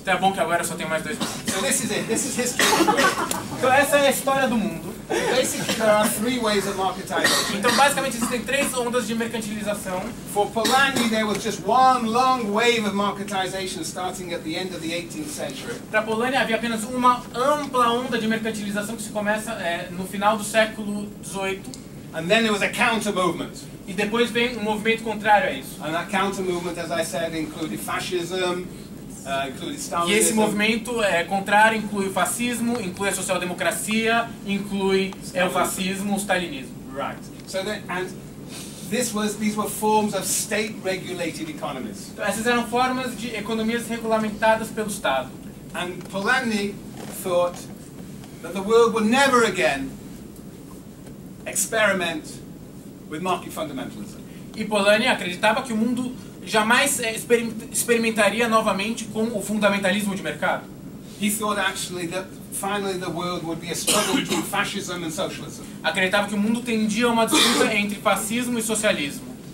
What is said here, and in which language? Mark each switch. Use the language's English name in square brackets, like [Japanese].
[Portuguese] Então é bom que agora eu só tenho mais 2 [English] minutes. So this is it. This is history. [Portuguese] Então essa é a história do mundo. [English] Basically, there are 3 ways of marketization. [Portuguese] Então basicamente existem 3 ondas de mercantilização. [English] For Polanyi, there was just one long wave of marketization starting at the end of the 18th century. [Portuguese] Para Polanyi havia apenas uma ampla onda de mercantilização que se começa no final do século 18. [English] And then there was a counter movement. [Portuguese] E depois vem movimento contrário a isso. [English] And that counter movement, as I said, included fascism. [Portuguese] E esse movimento contrário inclui o fascismo, inclui a social-democracia, inclui o fascismo, o stalinismo. [English] Right. So then, and these were forms of state-regulated economies. [Portuguese] Então, essas eram formas de economias regulamentadas pelo Estado. [English] And Polanyi thought that the world would never again experiment with market fundamentalism. [Portuguese] E Polanyi acreditava que o mundo jamais experimentaria novamente com o fundamentalismo de mercado. [English] He thought actually that finally the world would be a struggle between fascism and socialism. [Portuguese] Acreditava que o mundo tendia a uma disputa entre fascismo e socialismo.